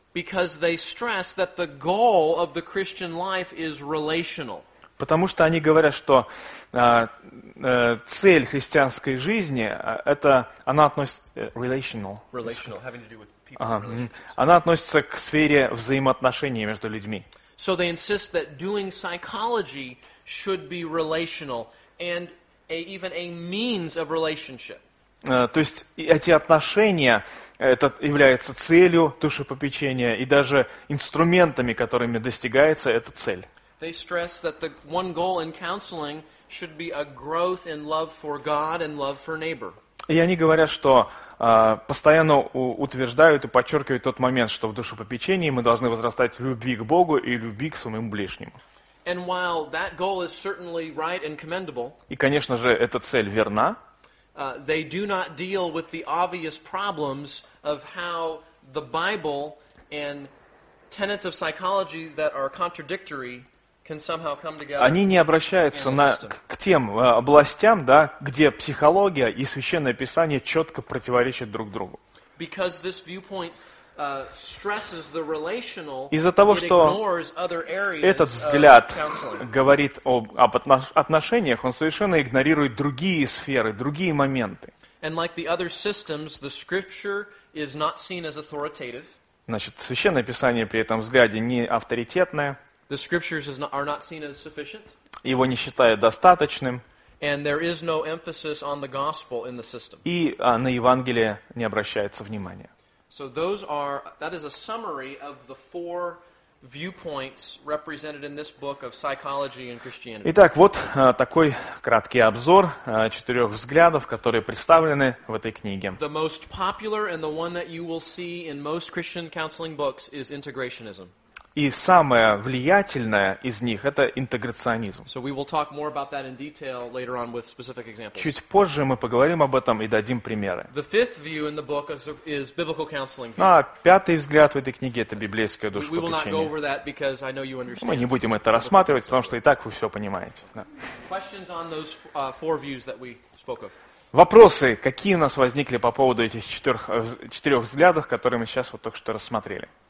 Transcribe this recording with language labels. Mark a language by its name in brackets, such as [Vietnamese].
[Russian] Потому что они говорят, что цель христианской жизни это она относится relational. [English] Relational, having to do with people. [Russian] Она относится к сфере взаимоотношений между людьми. [English] So they insist that doing psychology should be relational and even a means of relationship. [Russian] То есть эти отношения это является целью душепопечения и даже инструментами, которыми достигается эта цель. [English] They stress that the one goal in counseling should be a growth in love for God and love for neighbor. [Russian] И они говорят, что постоянно утверждают и подчеркивают тот момент, что в душепопечении мы должны возрастать в любви к Богу и любви к своему ближнему. [English] And while that goal is certainly right and commendable, [Russian] и, конечно же, эта цель верна, [English] they do not deal with the obvious problems of how the Bible and tenets of psychology that are contradictory can somehow come together. [Russian] Они не обращаются к тем областям, да, где психология и священное писание четко противоречат друг другу. [English] Because this viewpoint stresses the relational, [Russian] из-за того, [English] it ignores other areas. [Russian] Этот взгляд говорит об отношениях, он совершенно игнорирует другие сферы, другие моменты. [English] And like the other systems, the scripture is not seen as authoritative. [Russian] Значит, священное писание при этом взгляде не авторитетное. [English] The scriptures are not seen as sufficient. [Russian] Его не считают достаточным. [English] And there is no emphasis on the gospel in the system. [Russian] И на Евангелие не обращается внимания. [English] So that is a summary of the four viewpoints represented in this book of psychology and Christianity. [Russian] Итак, вот такой краткий обзор четырех взглядов, которые представлены в этой книге. [English] The most popular and the one that you will see in most Christian counseling books is integrationism. [Russian] И самое влиятельное из них – это интеграционизм. [English] So we will talk more about that in detail later on with specific examples. [Russian] Чуть позже мы поговорим об этом и дадим примеры. [English] The fifth view in the book is biblical counseling. [Russian] А пятый взгляд в этой книге – это библейское душепопечение. [English] We will not go over that because I know you understand. [Russian] Мы не будем это рассматривать, потому что и так вы все понимаете. [English] Questions on those four views that we spoke of. [Russian] Вопросы, какие у нас возникли по поводу этих четырех взглядов, которые мы сейчас вот только что рассмотрели?